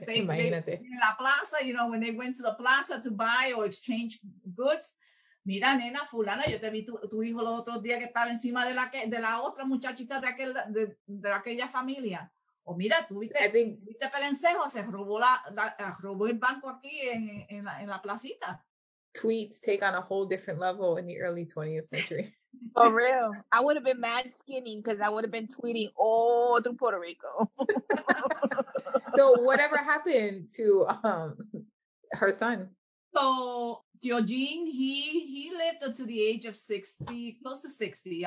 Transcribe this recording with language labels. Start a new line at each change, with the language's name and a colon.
English: They went in
Spanish: la plaza,
English: you know, when they went to the plaza to buy or exchange goods,
Spanish: mira, nena, fulana, yo te vi tu hijo los otros días que estaba encima de la otra muchachita de aquella familia. O mira, tú viste Pelencejo, se robó robó el banco aquí en la placita.
English: Tweets take on a whole different level in the early 20th century. For real. I would have been mad skinny because I would have been tweeting all through Puerto Rico. So whatever happened to her son? So Georgine, he lived to the age of 60, close to 60.